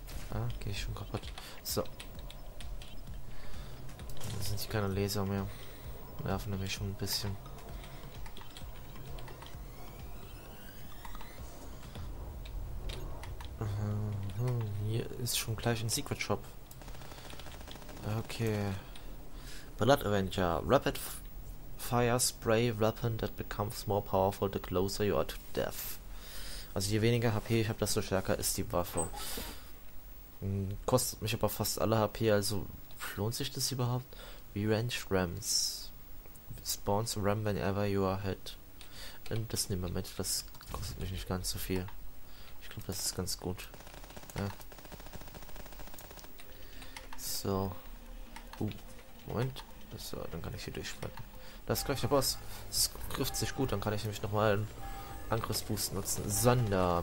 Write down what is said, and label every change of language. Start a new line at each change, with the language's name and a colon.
German: Ah, geh ich schon kaputt. So. Da sind hier keine Laser mehr. Nerven nämlich schon ein bisschen. Hier ist schon gleich ein Secret Shop. Okay. Blood Avenger.
English: Rapid Fire Spray Weapon that becomes more powerful the closer you are to death.
German: Also je weniger HP ich habe, desto stärker ist die Waffe. Kostet mich aber fast alle HP, also lohnt sich das überhaupt?
English: Rearrange Rams. Spawns Ram whenever you are hit.
German: Und das nehmen wir mit, das kostet mich nicht ganz so viel. Ich glaube, das ist ganz gut. Ja. So. Moment. So, dann kann ich hier durchspringen. Das ist gleich der Boss. Das trifft sich gut, dann kann ich nämlich nochmal Angriffsboost nutzen. Sander.